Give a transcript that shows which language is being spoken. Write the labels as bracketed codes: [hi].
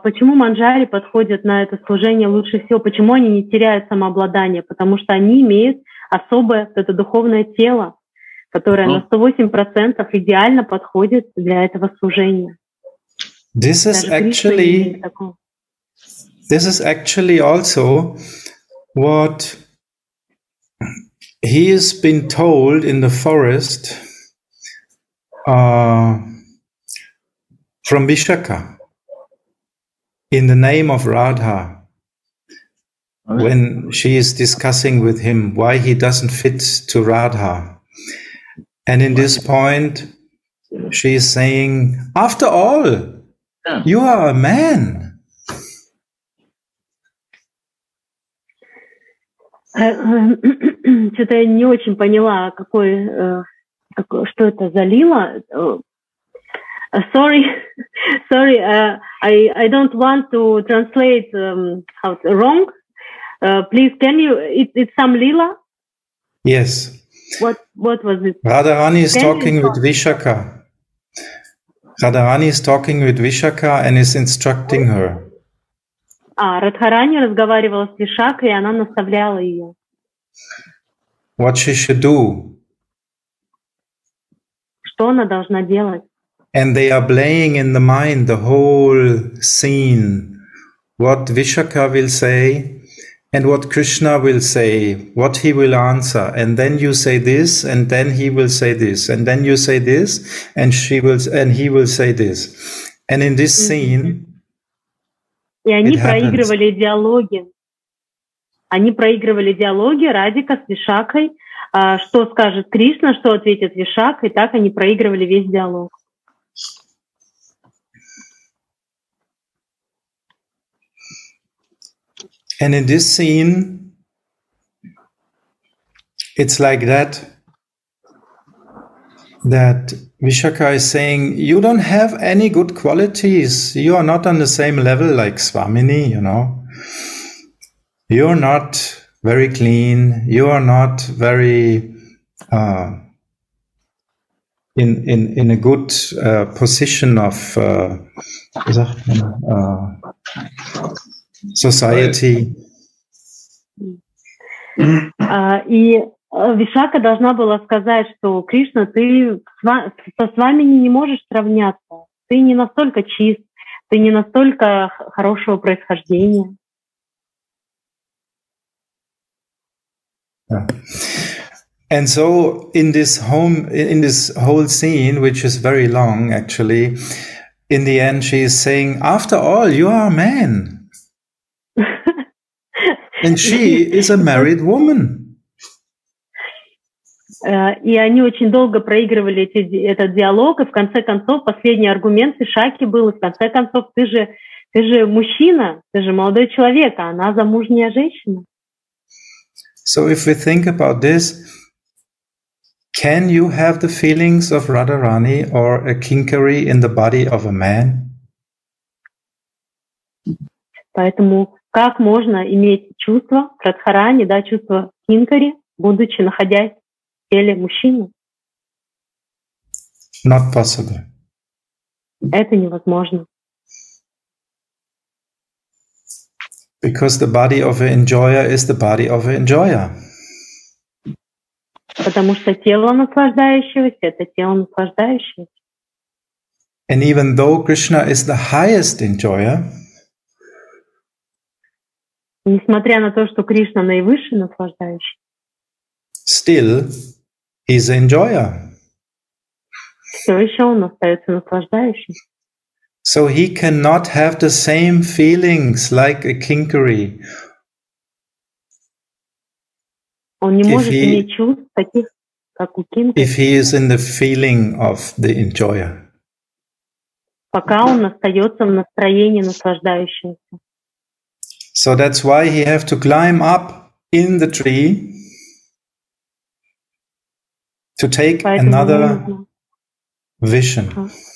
[ru] Почему манджари подходят на это служение лучше всего? Почему они не теряют самообладание? Потому что они имеют особое это духовное тело, которое на 108% идеально подходит для этого служения. [en] This is actually... This is actually also what he has been told in the forest from Vishakha in the name of Radha when she is discussing with him why he doesn't fit to Radha. And in this point, she is saying, after all, you are a man. [ru] Что-то я не очень поняла, какой, что это за лила. [en] Sorry, I don't want to translate how it's wrong. Please, can you? It's some lila. Yes. What was it? Radharani is talking with Vishakha. Radharani is talking with Vishakha and is instructing her. [ru] А Радхарани разговаривала с Вишакхой, и она наставляла ее. [en] What she should do. [ru] Что она должна делать? [en] And they are playing in the mind the whole scene. What Vishakha will say and what Krishna will say, what he will answer. And then you say this and then he will say this. And then you say this and she will and he will say this. And in this scene. [ru] И они проигрывали диалоги. Они проигрывали диалоги Радика с Вишакхой, что скажет Кришна, что ответит Вишакха, и так они проигрывали весь диалог. [en] And in this scene, it's like that, that Vishakha is saying, you don't have any good qualities. You are not on the same level like Swamini, you know. You are not very clean. You are not very in a good position of society. [ru] И Вишакха должна была сказать, что Кришна, ты со Свамини не можешь сравняться. Ты не настолько чист, ты не настолько хорошего происхождения. [en] And so in this whole scene, which is very long actually, in the end she is saying, after all, you are a man. And she is a married woman. [ru] И они очень долго проигрывали этот диалог, и в конце концов последний аргумент Вишакхи был, в конце концов, ты же мужчина, ты же молодой человек, а она замужняя женщина. [en] So if we think about this, can you have the feelings of Radharani or a Kinkari in the body of a man? [ru] Поэтому как можно иметь чувство Радхарани, да, чувство Кинкари, будучи находясь в теле мужчины? [en] Not possible. [ru] Это невозможно. [en] Because the body of an enjoyer is the body of an enjoyer. [ru] Потому что тело наслаждающегося — это тело наслаждающегося. [en] And even though Krishna is the highest enjoyer, [ru] несмотря на то, что Кришна наивысший наслаждающий, [en] still is an enjoyer. [ru] Все еще он остается наслаждающим. [en] So he cannot have the same feelings like a kinkari. [ru] Он не может иметь чувств таких, как у кинкари. [en] If he is in the feeling of the enjoyer. [ru] Пока он остается в настроении наслаждающегося. [en] So that's why he have to climb up in the tree to take another vision.